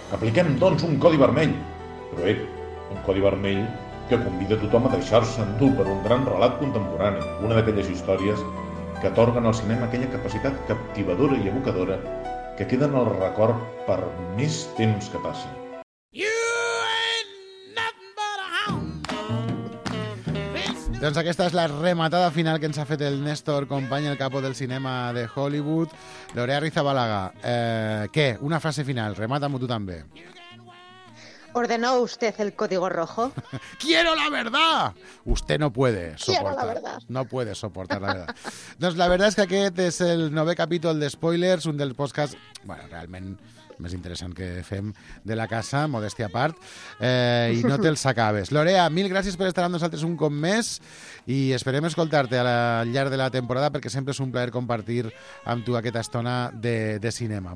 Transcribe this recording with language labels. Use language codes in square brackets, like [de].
[ca] Apliquem, doncs, un codi vermell, però ep, un codi vermell que convida tothom a deixar-se endur per un gran relat contemporani, una d'aquelles històries que atorguen al cinema aquella capacitat captivadora i evocadora que queda en el record per més temps que passi. Doncs aquesta és la rematada final que ens ha fet el Néstor Company, el capo del cinema de Hollywood, Lore Arrizabalaga. Què? Una frase final. Remata-m'ho tu també. [es] ¿Ordenó usted el código rojo? ¡Quiero la verdad! Usted no puede soportar. Quiero la verdad. No puede soportar la verdad. [ca] Doncs [es] la verdad [ca] és que aquest és el nou capítol de Spoilers, un dels podcasts, bueno, realment més interessant que fem de la casa, modestia a part, i no te'ls acabes. Lorea, mil gràcies per estar amb nosaltres un cop més i esperem escoltar-te al llarg de la temporada, perquè sempre és un plaer compartir amb tu aquesta estona de cinema.